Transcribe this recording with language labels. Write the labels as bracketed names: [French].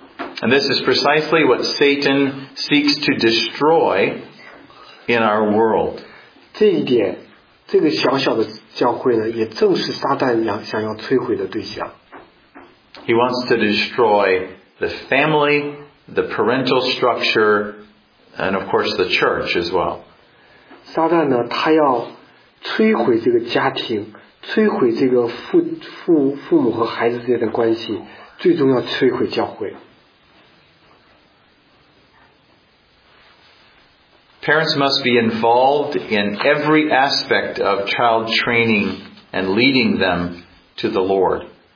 [English] And this is precisely what Satan seeks to destroy in our world. [Chinese] 这一点, 这个小小的教会呢, 也正是撒旦想要摧毁的对象。 [English] He wants to destroy the family, the parental structure, and of course the church as well. [Chinese] 撒旦呢, 他要摧毁这个家庭, 摧毁这个父母和孩子之间的关系, 最终要摧毁教会。 [English] Parents must be involved in every aspect of child training and leading them to the Lord.